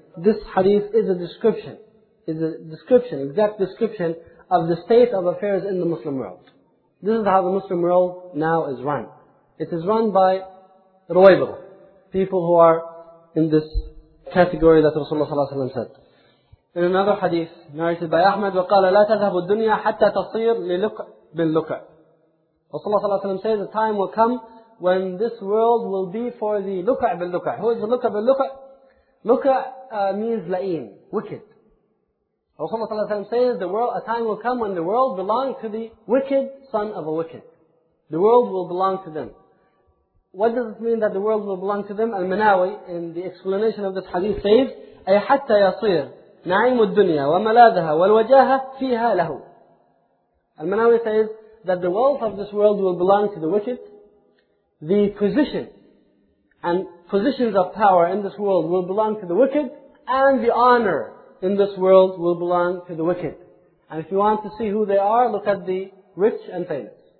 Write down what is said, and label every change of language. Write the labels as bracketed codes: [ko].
[en] This hadith is a description, exact description of the state of affairs in the Muslim world. This is how the Muslim world now is run. It is run by ruwaybidah, people who are in this category that Rasulullah ﷺ said. In another hadith narrated by Ahmad, [ar] وَقَالَ لَا تَذَهَبُ الدُّنْيَا حَتَّى تَصِيرْ لِلُقْعِ بِاللُّقْعِ. [en] Rasulullah ﷺ says, the time will come when this world will be for the [ar] لُقْعِ بِاللُّقْعِ. [en] Who is the لُقْعِ بِاللُّقْعِ? لُقْعِ means لَئِيم, wicked. Rasulullah ﷺ says, a time will come when the world belongs to the wicked son of a wicked. The world will belong to them. What does it mean that the world will belong to them? Al-Manawi, in the explanation of this hadith, says, [ar] أي حتى يصير نعيم الدنيا وملاذها والوجاهة فيها له. [en] Al-Manawi says that the wealth of this world will belong to the wicked. The position and positions of power in this world will belong to the wicked. And the honor in this world will belong to the wicked. And if you want to see who they are, look at the rich and famous.